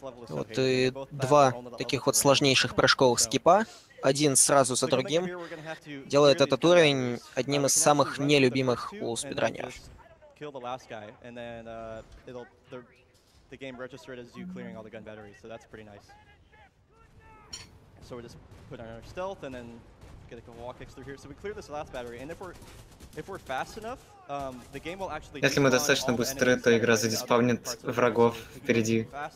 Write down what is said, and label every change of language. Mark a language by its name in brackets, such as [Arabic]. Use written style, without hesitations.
[Russian] Вот и два таких вот сложнейших прыжковых скипа. Один сразу за другим делает этот уровень одним из самых нелюбимых у спидранеров. [English] Kill the last guy, and then it'll the game registered as you clearing all the gun batteries, so that's pretty nice. So we just put on our stealth and then get a couple wall kicks through here. So we clear this last battery, and if we're fast enough, the game will actually. [Russian] Если мы достаточно быстро, то игра задеспавнит врагов впереди.